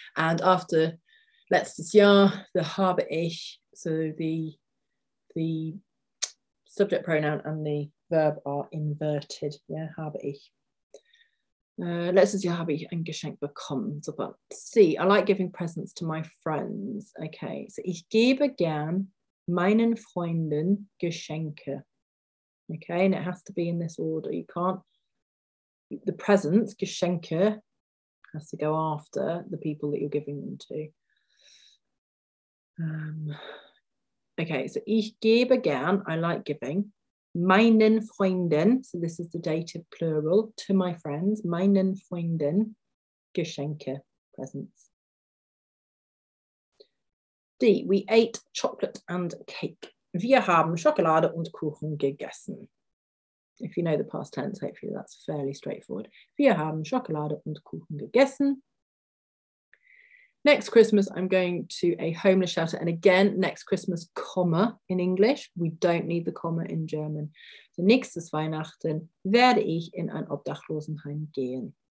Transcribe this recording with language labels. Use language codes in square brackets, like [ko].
[en] And after letztes Jahr, the [de] habe ich, [en] so the subject pronoun and the verb are inverted. Yeah, habe ich. [de] Letztes Jahr habe ich ein Geschenk bekommen. [en] So, but C, I like giving presents to my friends. [de] Okay, so ich gebe gern meinen Freunden Geschenke. [en] Okay, and it has to be in this order. You can't, the presents, Geschenke, has to go after the people that you're giving them to. Okay, so [de] ich gebe gern, [en] I like giving, [de] meinen Freunden, [en] so this is the dative plural, to my friends, meinen Freunden, Geschenke, presents. D, we ate chocolate and cake. [de] Wir haben Schokolade und Kuchen gegessen. [en] If you know the past tense, hopefully that's fairly straightforward. [de] Wir haben Schokolade und Kuchen gegessen. [en] Next Christmas, I'm going to a homeless shelter. And again, next Christmas, comma in English. We don't need the comma in German. [de] So nächstes Weihnachten werde ich in ein Obdachlosenheim gehen.